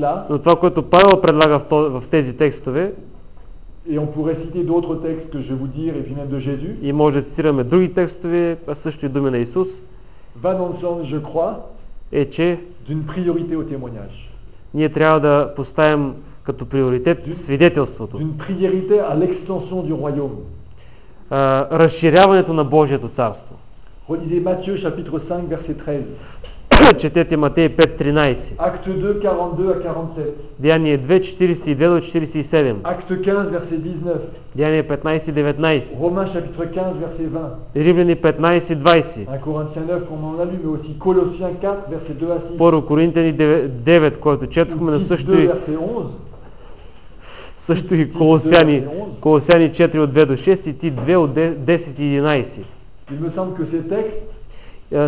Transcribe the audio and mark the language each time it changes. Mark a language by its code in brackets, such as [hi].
[bg] Но това, което Павел предлага в тези текстове, [fr] et on pourrait citer d'autres textes que je vais vous dire et puis même de Jésus. [bg] И може да цитираме други текстове, а също и думи на Исус. [fr] Va dans le sens, je crois, et que d'une priorité au témoignage. [bg] Ние трябва да поставим като приоритет свидетелството. [fr] D'une priorité à l'extension du royaume. [bg] Разширяването на Божието царство. [fr] Relisez Matthieu chapitre 5 verset 13. [bg] Четете Матей 5:13. [fr] Acte 2 42 à 47. [bg] Деяние 2 42 до 47. [fr] Acte 15 verset 19. [bg] Деяние 15 19. [fr] Romains chapitre 15 verset 20. [bg] Римляни 15 20. [fr] 1 Corinthiens 9 comme on a lu mais aussi Colossiens 4 verset 2 à 6. [bg] 1 Коринтяни 9, който четохме на същото. [fr] 2 verset 11. [bg] Също и Колосяни, Колосяни 4 от 2 до 6 и Тит 2 от 10 и 11. [fr] Il me semble que ces textes